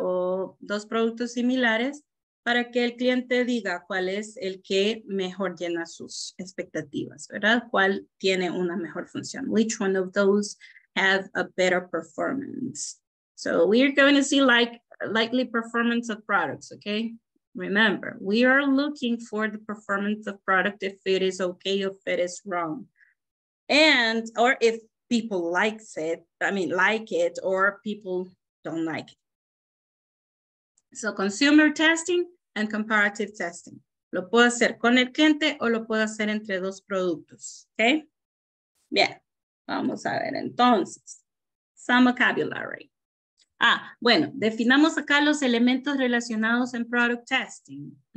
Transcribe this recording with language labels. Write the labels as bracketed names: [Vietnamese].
[Spanish] O dos productos similares para que el cliente diga cuál es el que mejor llena sus expectativas, ¿verdad? ¿Cuál tiene una mejor función? [English] Which one of those have a better performance. So we're going to see like likely performance of products, okay? Remember, we are looking for the performance of product if it is okay, if it is wrong. And, or if people likes it, I mean, like it, or people don't like it. So consumer testing and comparative testing. [Spanish] Lo puedo hacer con el cliente o lo puedo hacer entre dos productos, okay? Yeah. Vamos a ver entonces, [English] some vocabulary. [Spanish] Ah, bueno, definamos acá los elementos relacionados en product testing.